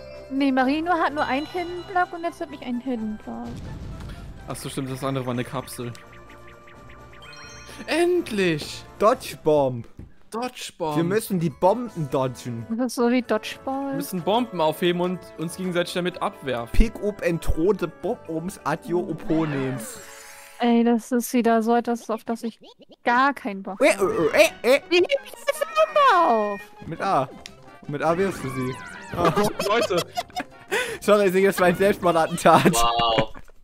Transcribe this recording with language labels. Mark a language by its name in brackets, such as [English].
[German] Nee, Marino hat nur einen Hidden-Block und jetzt hat mich einen Hidden-Block. Achso, stimmt. Das andere war eine Kapsel. Endlich! [English] Dodge-Bomb! Dodge-Bomb! [German] Wir müssen die Bomben dodgen. Ist das so wie Dodgeball? Wir müssen Bomben aufheben und uns gegenseitig damit abwerfen. [English] Pick up and throw the bombs at your opponents. [German] Ey, das ist wieder so etwas, auf das ich gar keinen Bock habe. Wie nehme ich das Bombe auf? Mit A. Mit A wirfst du sie. Oh. Leute! Sorry, ich sehe, das war ein Selbstmordattentat. Wow.